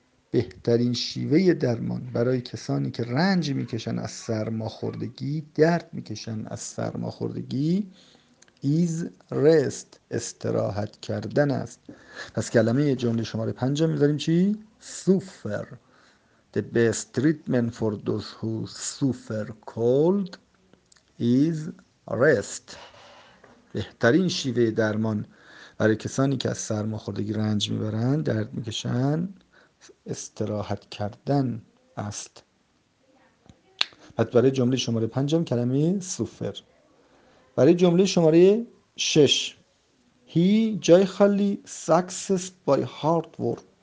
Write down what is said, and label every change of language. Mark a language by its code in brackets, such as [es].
[fa] بهترین شیوه درمان برای کسانی که رنج میکشن از سرماخوردگی، درد میکشن از سرماخوردگی، [en] is rest، [fa] استراحت کردن است. پس کلمه جمله شماره پنج میذاریم چی؟ سوفر. [en] The best treatment for those who suffer cold is rest. [fa] بهترین شیوه درمان برای کسانی که از سرماخوردگی رنج میبرن، درد میکشن، استراحت کردن است. پس برای جمله شماره پنجم کلمه suffer. برای جمله شماره شش، [en] He [fa] جای خالی [en] success by hard work.